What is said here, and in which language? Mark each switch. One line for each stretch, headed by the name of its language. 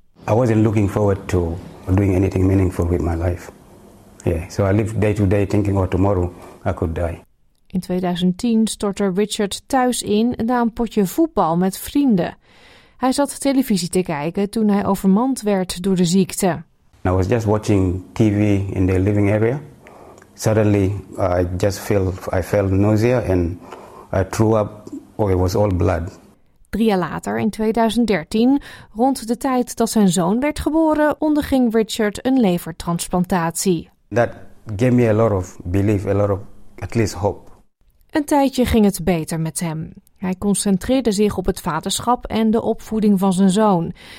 English: I wasn't looking forward to doing anything meaningful with my life. Yeah, so I lived day to day thinking, oh, tomorrow I could die.
Dutch: In 2010 stortte Richard thuis in na een potje voetbal met vrienden. Hij zat televisie te kijken toen hij overmand werd door de ziekte.
English: I was just watching TV in the living area. Suddenly, I felt nausea and I threw up, it was all blood.
Dutch: 3 jaar later, in 2013, rond de tijd dat zijn zoon werd geboren, onderging Richard een levertransplantatie.
English: That gave me a lot of belief, a lot of at least hope.
Dutch: Een tijdje ging het beter met hem. Hij concentreerde zich op het vaderschap en de opvoeding van zijn zoon.